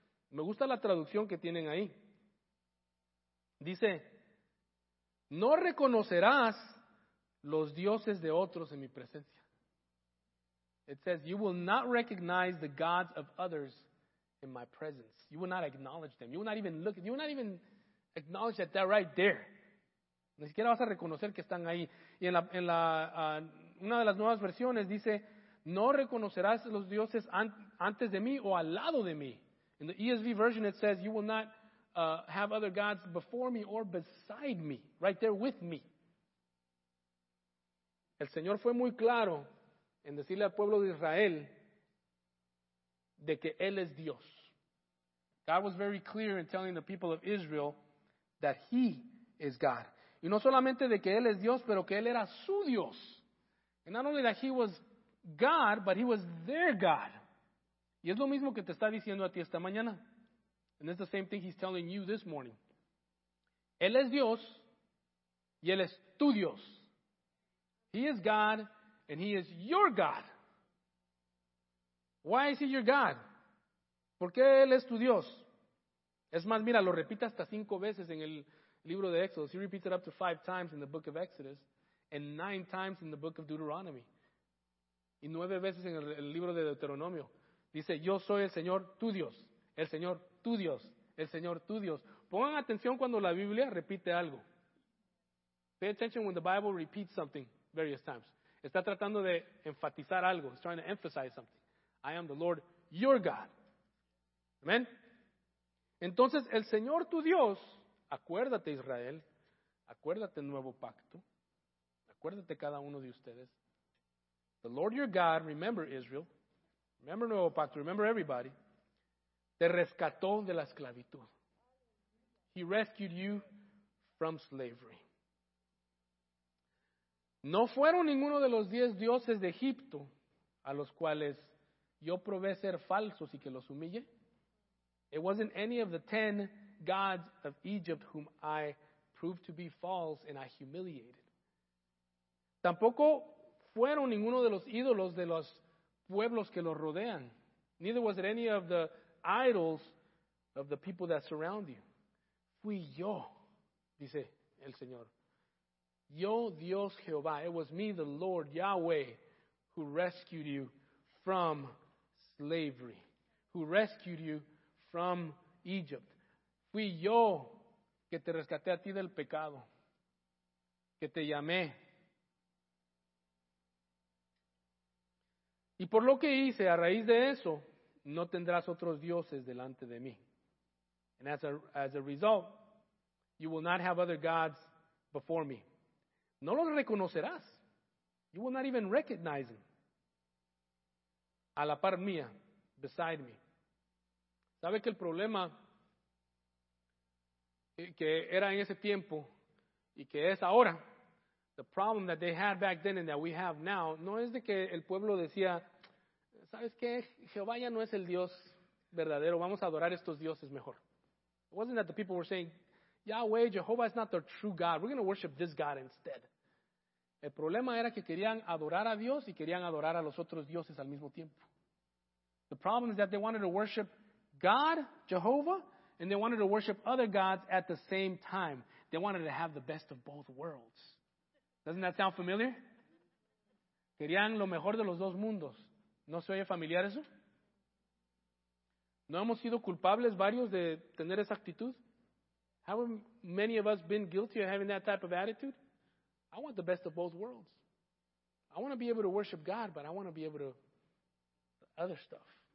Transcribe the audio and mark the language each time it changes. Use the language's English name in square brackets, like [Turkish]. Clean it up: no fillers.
[Spanish] Me gusta la traducción que tienen ahí. Dice, no reconocerás los dioses de otros en mi presencia. [English] It says, you will not recognize the gods of others in my presence. You will not acknowledge them. You will not even look. You will not even acknowledge that they're right there. [Spanish] Ni siquiera vas a reconocer que están ahí. Y una de las nuevas versiones dice, no reconocerás los dioses antes de mí o al lado de mí. [English] In the ESV version, it says, you will not have other gods before me or beside me, right there with me. [Spanish] El Señor fue muy claro en decirle al pueblo de Israel de que Él es Dios. [English] God was very clear in telling the people of Israel that He is God. [Spanish] Y no solamente de que Él es Dios, pero que Él era su Dios. [English] And not only that He was God, but He was their God. [Spanish] Y es lo mismo que te está diciendo a ti esta mañana. [English] And it's the same thing He's telling you this morning. [Spanish] Él es Dios, y Él es tu Dios. [English] He is God, and He is your God. Why is He your God? [Spanish] ¿Por qué Él es tu Dios? Es más, mira, lo repite hasta 5 veces en el libro de Éxodo. [English] He repeats it up to 5 times in the book of Exodus, and 9 times in the book of Deuteronomy. [Spanish] Y 9 veces en el libro de Deuteronomio. Dice, yo soy el Señor, tu Dios. El Señor, tu Dios. El Señor, tu Dios. Pongan atención cuando la Biblia repite algo. [English] Pay attention when the Bible repeats something various times. [Spanish] Está tratando de enfatizar algo. [English] It's trying to emphasize something. I am the Lord, your God. Amen. [Spanish] Entonces, el Señor, tu Dios, acuérdate, Israel, acuérdate, nuevo pacto, acuérdate, cada uno de ustedes. [English] The Lord, your God, remember, Israel, remember, [Spanish] nuevo pacto, [English] remember, everybody, [Spanish] te rescató de la esclavitud. [English] He rescued you from slavery. [Spanish] No fueron ninguno de los 10 dioses de Egipto a los cuales yo probé ser falsos y que los humillé. [English] It wasn't any of the 10 gods of Egypt whom I proved to be false and I humiliated. [Spanish] Tampoco fueron ninguno de los ídolos de los pueblos que los rodean. [English] Neither was it any of the idols of the people that surround you. [Spanish] Fui yo, dice el Señor. Yo, Dios Jehová. [English] It was me, the Lord, Yahweh, who rescued you from slavery. Who rescued you from Egypt. [Spanish] Fui yo que te rescaté a ti del pecado. Que te llamé. Y por lo que hice, a raíz de eso, no tendrás otros dioses delante de mí. [English] And as a result, you will not have other gods before me. [Spanish] No los reconocerás. [English] You will not even recognize them. [Spanish] A la par mía, [English] beside me. [Spanish] ¿Sabe que el problema que era en ese tiempo y que es ahora, [English] the problem that they had back then and that we have now, [Spanish] no es de que el pueblo decía, ¿sabes qué? Jehová ya no es el Dios verdadero. Vamos a adorar estos dioses mejor. [English] It wasn't that the people were saying, Yahweh, Jehovah is not the true God. We're going to worship this God instead. [Spanish] El problema era que querían adorar a Dios y querían adorar a los otros dioses al mismo tiempo. [English] The problem is that they wanted to worship God, Jehovah, and they wanted to worship other gods at the same time. They wanted to have the best of both worlds. Doesn't that sound familiar? [Spanish] Querían lo mejor de los dos mundos. ¿No se oye familiar eso? ¿No hemos sido culpables varios de tener esa actitud? [English] Have many of us been guilty of having that type of attitude? I want the best of both worlds. I want to be able to worship God, but I want to be able to the other stuff.